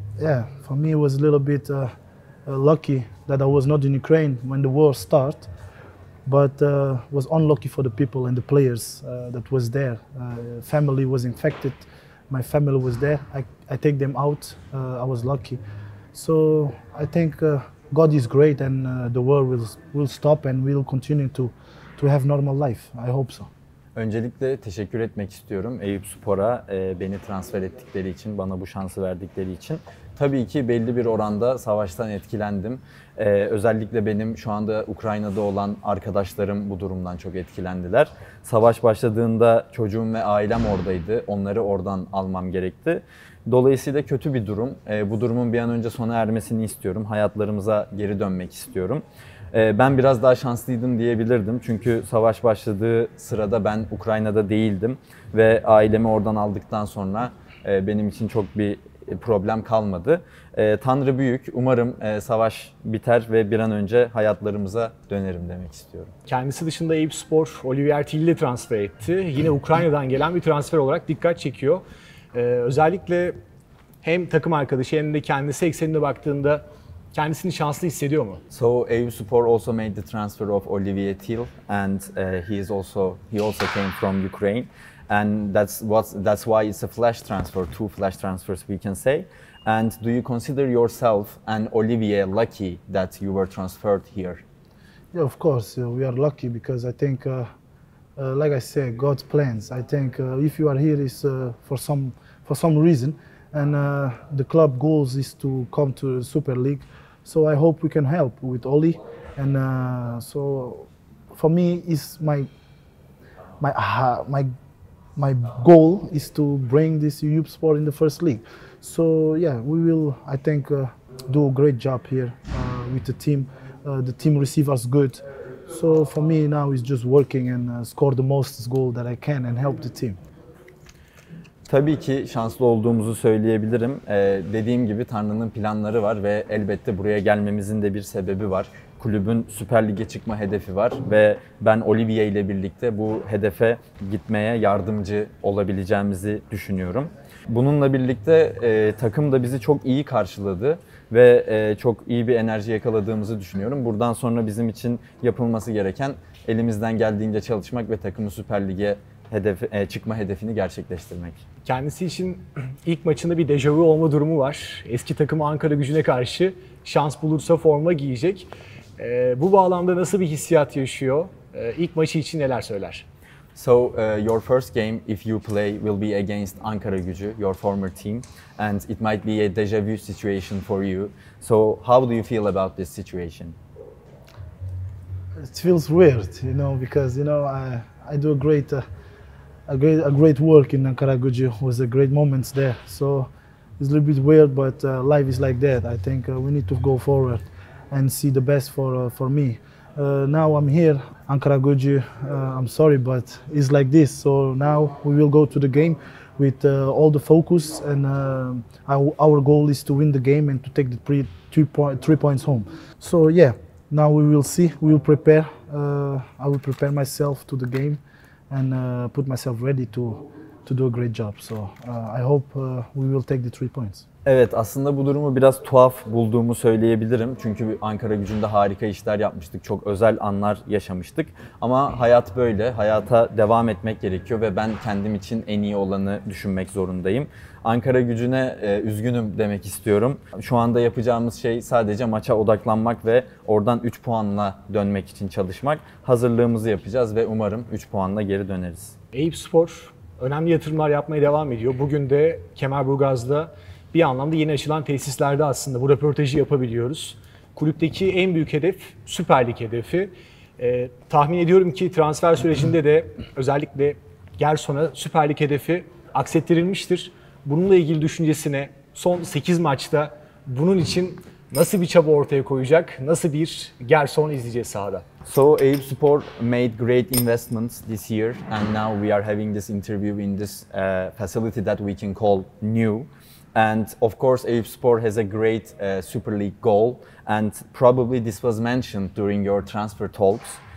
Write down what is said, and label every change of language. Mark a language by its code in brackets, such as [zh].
[en] Yeah, for me it was a little bit lucky that I was not in Ukraine when the war start, but was unlucky for the people and the players that was there. Family was infected, my family was there. I take them out. I was lucky, so I think God is great and the war will stop and we'll continue to have normal life. I hope so. [tr] Öncelikle teşekkür etmek istiyorum Eyüp Spor'a beni transfer ettikleri için, bana bu şansı verdikleri için. Tabii ki belli bir oranda savaştan etkilendim. Özellikle benim şu anda Ukrayna'da olan arkadaşlarım bu durumdan çok etkilendiler. Savaş başladığında çocuğum ve ailem oradaydı. Onları oradan almam gerekti. Dolayısıyla kötü bir durum. Bu durumun bir an önce sona ermesini istiyorum. Hayatlarımıza geri dönmek istiyorum. Ben biraz daha şanslıydım diyebilirdim. Çünkü savaş başladığı sırada ben Ukrayna'da değildim. Ve ailemi oradan aldıktan sonra benim için çok bir problem kalmadı. Tanrı büyük. Umarım savaş biter ve bir an önce hayatlarımıza dönerim demek istiyorum. Kendisi dışında Eyüp Spor, Olivier Thiel'i transfer etti. Yine Ukrayna'dan gelen bir transfer olarak dikkat çekiyor. Özellikle hem takım arkadaşı hem de kendisi eksenine baktığında kendisini şanslı hissediyor mu? [en] So Eyüp Spor also made the transfer of Olivier Thiel, and he also came from Ukraine. And that's why it's a flash transfer, two flash transfers we can say. And do you consider yourself and Olivier lucky that you were transferred here? Yeah, of course, we are lucky because I think, like I said, God's plans. I think if you are here is for some reason, and the club goals is to come to the Super League. So I hope we can help with Oli. And so for me is my goal is to bring this Eyüp Spor in the first league. So yeah, we will, I think, do a great job here with the team. The team receive us good. So for me now is just working and score the most goal that I can and help the team. [tr] Tabii ki şanslı olduğumuzu söyleyebilirim. Dediğim gibi Tanrı'nın planları var ve elbette buraya gelmemizin de bir sebebi var. Kulübün Süper Lig'e çıkma hedefi var ve ben Olivier ile birlikte bu hedefe gitmeye yardımcı olabileceğimizi düşünüyorum. Bununla birlikte takım da bizi çok iyi karşıladı ve çok iyi bir enerji yakaladığımızı düşünüyorum. Buradan sonra bizim için yapılması gereken elimizden geldiğince çalışmak ve takımı Süper Lig'e çıkma hedefini gerçekleştirmek. Kendisi için ilk maçında bir dejavu olma durumu var. Eski takımı Ankara Gücü'ne karşı şans bulursa forma giyecek. Bu bağlamda nasıl bir hissiyat yaşıyor? İlk maçı için neler söyler? [en] So your first game, if you play, will be against Ankara Gücü, your former team, and it might be a deja vu situation for you. So how do you feel about this situation? It feels weird, you know, because you know I do a great work in Ankara Gücü. It was a great moments there. So It's a little bit weird, but life is like that. I think we need to go forward and see the best for me. Now I'm here, Ankara Gücü. I'm sorry, but it's like this. So now we will go to the game with all the focus, and our goal is to win the game and to take the three points home. So yeah, now we will see. We will prepare. I will prepare myself to the game and put myself ready to do a great job. So I hope we will take the 3 points. [tr] Evet, aslında bu durumu biraz tuhaf bulduğumu söyleyebilirim. Çünkü Ankara Gücü'nde harika işler yapmıştık, çok özel anlar yaşamıştık. Ama hayat böyle, hayata devam etmek gerekiyor ve ben kendim için en iyi olanı düşünmek zorundayım. Ankara Gücü'ne üzgünüm demek istiyorum. Şu anda yapacağımız şey sadece maça odaklanmak ve oradan 3 puanla dönmek için çalışmak. Hazırlığımızı yapacağız ve umarım 3 puanla geri döneriz. Eyüp Spor önemli yatırımlar yapmaya devam ediyor. Bugün de Kemerburgaz'da bir anlamda yeni açılan tesislerde aslında bu röportajı yapabiliyoruz. Kulüpteki en büyük hedef Süper Lig hedefi. Tahmin ediyorum ki transfer sürecinde de özellikle Gerson'a Süper Lig hedefi aksettirilmiştir. Bununla ilgili düşüncesine son 8 maçta bunun için nasıl bir çaba ortaya koyacak, nasıl bir Gerson izleyeceğiz sahada? [en] So Eyüp Spor made great investments this year and now we are having this interview in this facility that we can call new. And of course, Eyüp Spor has a great Super League goal. And probably this was mentioned during your transfer talks.